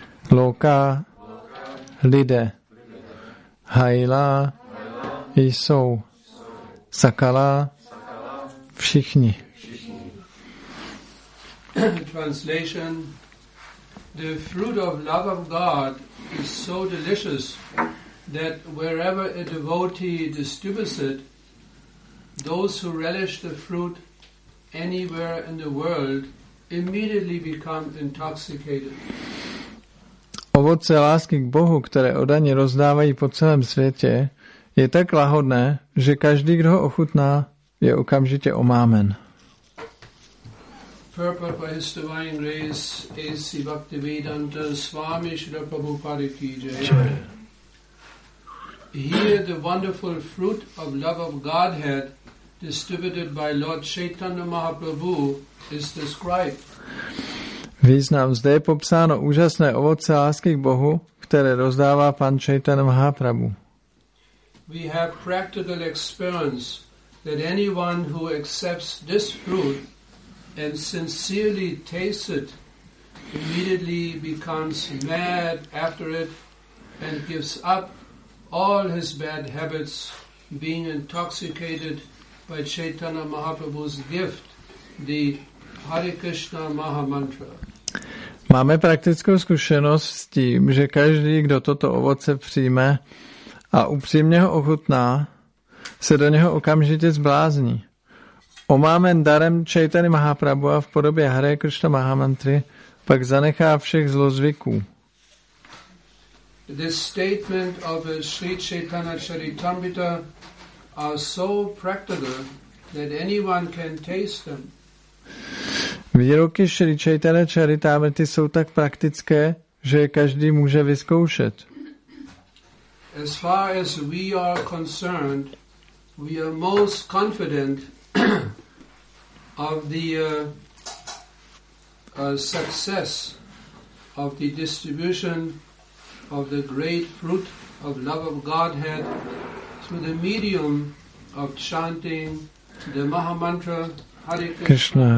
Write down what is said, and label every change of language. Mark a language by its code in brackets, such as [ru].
[en] Loka, lidé, haila, jsou, sakala, všichni. Translation: The fruit of love of God is so delicious that wherever a devotee distributes it, those who relish the fruit anywhere in the world immediately become intoxicated. [cs] Ovoce lásky k Bohu, které oddaně rozdávají po celém světě, je tak lahodné, že každý, kdo ho ochutná, je okamžitě omámen. [en] Purport for his divine grace is Bhaktivedanta Swami Srila Prabhupada ki jai. Here the wonderful fruit of love of Godhead distributed by Lord Chaitanya Mahaprabhu is described. [cs] Význam. Zde je popsáno úžasné ovoce lásky k Bohu, které rozdává pan Chaitanya Mahaprabhu. [en] We have practical experience that anyone who accepts this fruit and sincerely tastes it immediately becomes mad after it and gives up all his bad habits, being intoxicated by Chaitanya Mahaprabhu's gift, the Hare Krishna Maha Mantra. [cs] Máme praktickou zkušenost s tím, že každý, kdo toto ovoce přijme a upřímně ho ochutná, se do něho okamžitě zblázní. Omámen darem Chaitany Mahaprabhu a v podobě Hare Krishna Mahamantry pak zanechá všech zlozvyků. [en] This statement of Sri Chaitanya Charitamrita are so practical that anyone can taste them. [cs] Výroky Sri Chaitanya Charitamrity jsou tak praktické, že je každý může vyzkoušet. [en] As far as we are concerned, we are most confident of the success of the distribution of the great fruit of love of Godhead through the medium of chanting the Maha Mantra Hare Krishna,